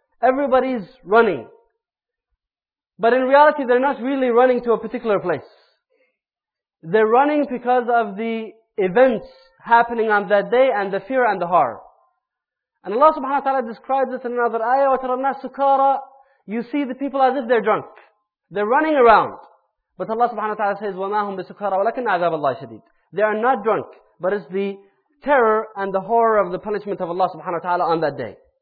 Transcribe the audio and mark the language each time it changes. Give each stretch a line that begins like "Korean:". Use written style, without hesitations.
English: Everybody's running. But in reality, they're not really running to a particular place. They're running because of the events happening on that day and the fear and the horror. And Allah subhanahu wa ta'ala describes it in another ayah,
Arabic: وَتَرَى النَّاسَ سُكَارَى.
English: You see the people as if they're drunk. They're running around. But Allah subhanahu wa ta'ala says,
Arabic: وَمَا هُمْ بِسُكَارَى وَلَكِنَّ عَذَابَ اللَّهِ شَدِيدٌ.
English: They are not drunk, but it's the terror and the horror of the punishment of Allah subhanahu wa ta'ala on that day.